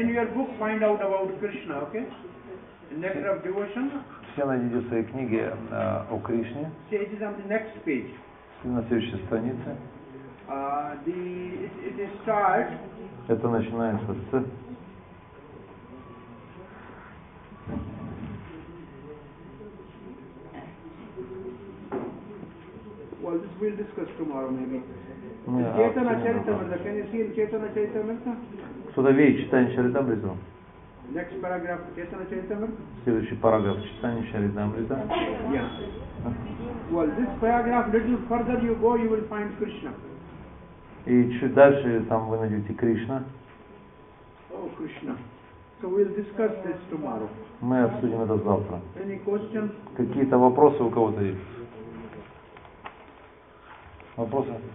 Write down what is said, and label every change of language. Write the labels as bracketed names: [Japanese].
[English] In your book find out about Krishna, okay? Nectar of devotion. [Russian] Все найдите в своей книге о Кришне. [English] See, it is on the next page. [Russian] На следующей странице. [English] It starts. [Russian] Это начинается с. [English] Well, this we'll discuss tomorrow, maybe. Chaitanya Charitamrita. Can you see in Chaitanya Charitamrita? [Russian] Кто-то видит читание Чаритамриты? [English] Next paragraph, Chaitanya Charitamrita. [Russian] Следующий параграф читания Чаритамриты. [English] Yeah. Well, this paragraph, little further you go, you will find Krishna. [Russian] И чуть дальше там вы найдете Кришна. [English] Oh, Krishna. So we'll discuss this tomorrow. [Russian] Мы обсудим это завтра. [English] Any questions? [Russian] Какие-то вопросы у кого-то есть? Вопросы?